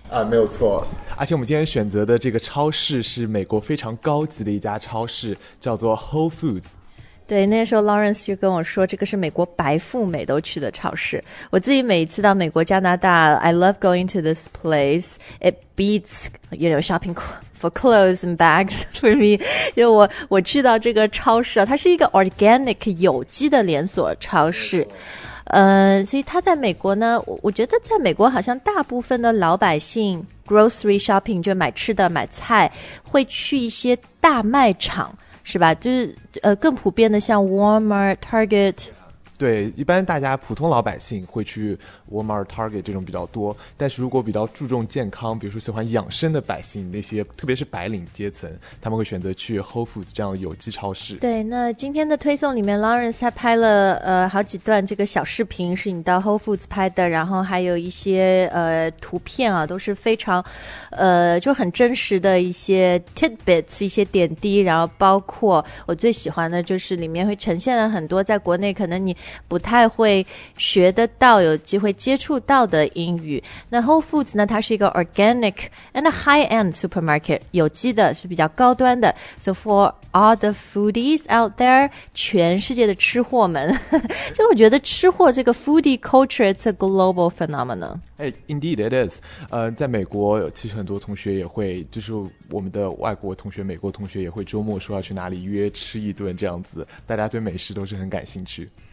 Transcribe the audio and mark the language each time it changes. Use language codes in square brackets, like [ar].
[zh] 没有错，而且我们今天选择的这个超市是美国非常高级的一家超市，叫做 Whole Foods。对，那时候 Lawrence 就跟我说，这个是美国白富美都去的超市。我自己每一次到美国、加拿大 ， [en] I love going to this place. It beats, you know, shopping for clothes and bags for me. [zh] 因为我去到这个超市啊，它是一个 organic 有机的连锁超市。所以它在美国呢，我觉得在美国好像大部分的老百姓 grocery shopping 就买吃的、买菜，会去一些大卖场。是吧，就是更普遍的像 Walmart, Target。对，一般大家普通老百姓会去 Walmart, Target 这种比较多，但是如果比较注重健康，比如说喜欢养生的百姓，那些特别是白领阶层，他们会选择去 Whole Foods 这样的有机超市。对，那今天的推送里面 Lawrence 还拍了好几段这个小视频，是你到 Whole Foods 拍的，然后还有一些图片啊，都是非常就很真实的一些 tidbits， 一些点滴。然后包括我最喜欢的就是里面会呈现了很多在国内可能你不太会学得到、有机会接触到的英语。那 Whole Foods 呢，它是一个 [en] organic and high-end supermarket， [zh] 有机的，是比较高端的。 [en] So for all the foodies out there， [zh] 全世界的吃货们，就我觉得吃货这个 [en] foodie culture， it's a global phenomenon。 Hey, indeed it is。 [zh] 在美国其实很多同学也会，就是我们的外国同学、美国同学也会周末说要去哪里约吃一顿这样子，大家对美食都是很感兴趣。